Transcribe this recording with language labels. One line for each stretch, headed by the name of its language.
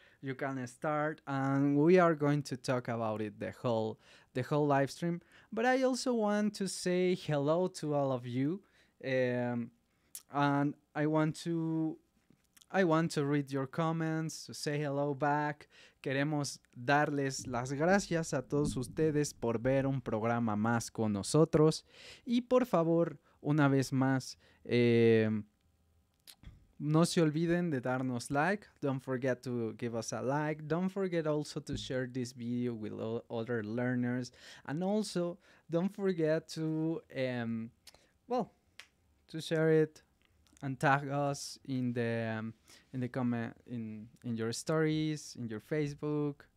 English: You can start, and we are going to talk about it the whole live stream. But I also want to say hello to all of you, and I want to read your comments, to say hello back.
Spanish: Queremos darles las gracias a todos ustedes por ver un programa más con nosotros, y por favor, una vez más, no se olviden de darnos like.
English: Don't forget to give us a like. Don't forget also to share this video with other learners. And also, don't forget to, to share it and tag us in the comment, in your stories, in your Facebook.